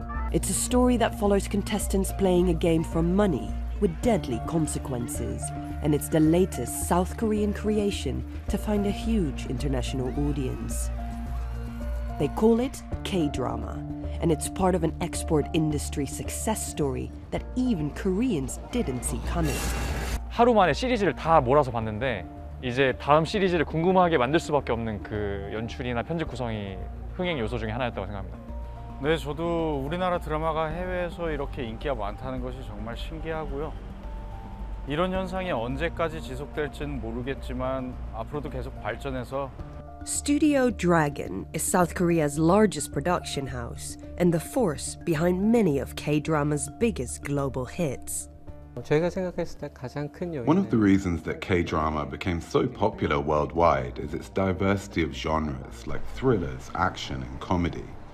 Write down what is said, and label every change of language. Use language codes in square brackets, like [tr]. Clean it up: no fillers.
[en] It's a story that follows contestants playing a game for money with deadly consequences, and it's the latest South Korean creation to find a huge international audience. They call it K-drama, and it's part of an export industry success story that even Koreans didn't see coming. [ko] 하루 만에 시리즈를 다 몰아서 봤는데 이제 다음 시리즈를 궁금하게 만들 수밖에 없는 그 연출이나 편집 구성이 흥행 요소 중에 하나였다고 생각합니다. 네, 저도 우리나라 드라마가 해외에서 이렇게 인기가 많다는 것이 정말 신기하고요. 이런 현상이 언제까지 지속될지는 모르겠지만 앞으로도 계속 발전해서 [en] Studio Dragon is South Korea's largest production house and the force behind many of K-drama's biggest global hits. One of the reasons that K-drama became so popular worldwide is its diversity of genres like thrillers, action, and comedy.